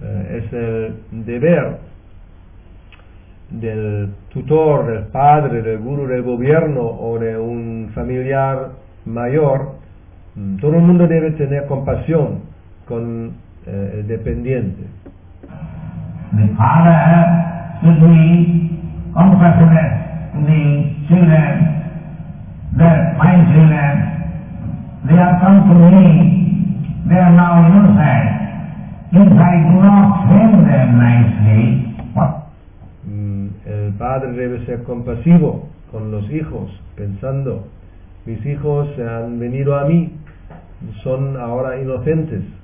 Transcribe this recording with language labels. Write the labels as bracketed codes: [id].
[es] Es el deber del tutor, del padre, del guru, del gobierno o de un familiar mayor. Todo el mundo debe tener compasión con el dependiente. [en] The father should be compassionate to the children, that my children, they have come to me, they are now innocent. If I do not train them nicely, what? [es] El padre debe ser compasivo con los hijos, pensando, mis hijos se han venido a mí, son ahora inocentes.